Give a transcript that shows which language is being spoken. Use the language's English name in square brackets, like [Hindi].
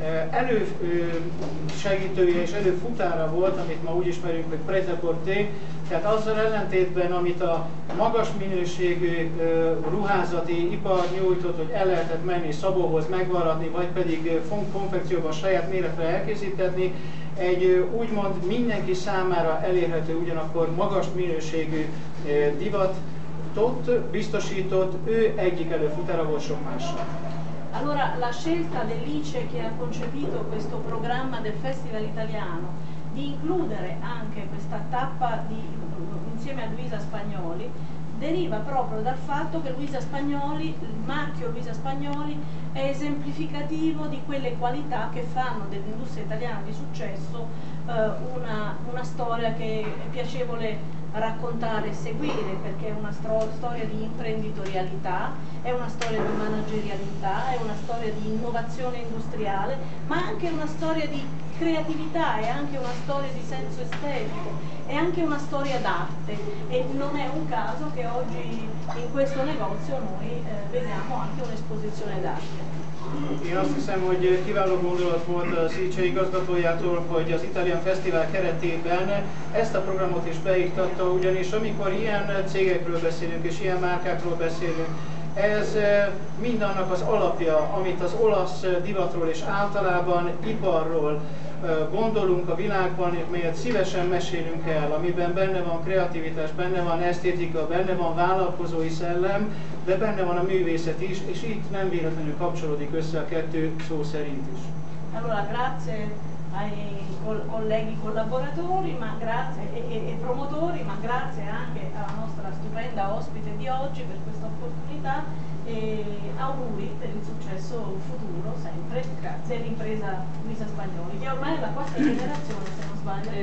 [Hungarian] Elősegítője és előfutára volt, amit ma úgy ismerünk, hogy prêt-à-porter, tehát azzal ellentétben, amit a magas minőségű ruházati ipar nyújtott, hogy el lehetett menni szabóhoz megvaradni, vagy pedig konfekcióban saját méretre elkészíteni, egy úgymond mindenki számára elérhető, ugyanakkor magas minőségű divatot biztosított, ő egyik előfutára volt sok mással. [Italian] Allora la scelta dell'ICE che ha concepito questo programma del Festival Italiano di includere anche questa tappa insieme a Luisa Spagnoli deriva proprio dal fatto che Luisa Spagnoli, il marchio Luisa Spagnoli è esemplificativo di quelle qualità che fanno dell'industria italiana di successo una storia che è piacevole raccontare e seguire, perché è una storia di imprenditorialità, è una storia di managerialità, è una storia di innovazione industriale, ma anche una storia di creatività, è anche una storia di senso estetico, è anche una storia d'arte, e non è un caso che oggi in questo negozio noi vediamo anche un'esposizione d'arte. [Hungarian] Én azt hiszem, hogy kiváló gondolat volt az ICE igazgatójától, hogy az Italian Festival keretében ezt a programot is beiktatta, ugyanis amikor ilyen cégekről beszélünk és ilyen márkákról beszélünk, ez mindannak az alapja, amit az olasz divatról és általában iparról gondolunk a világban, melyet szívesen mesélünk el, amiben benne van kreativitás, benne van esztétika, benne van vállalkozói szellem, de benne van a művészet is, és itt nem véletlenül kapcsolódik össze a kettő szó szerint is. [Italian] Allora, grazie ai colleghi collaboratori, ma grazie e promotori, ma grazie anche alla nostra stupenda ospite di oggi per questa opportunità e auguri per il successo futuro sempre dell'impresa Luisa Spagnoli, che ormai è la quarta generazione, se non sbaglio.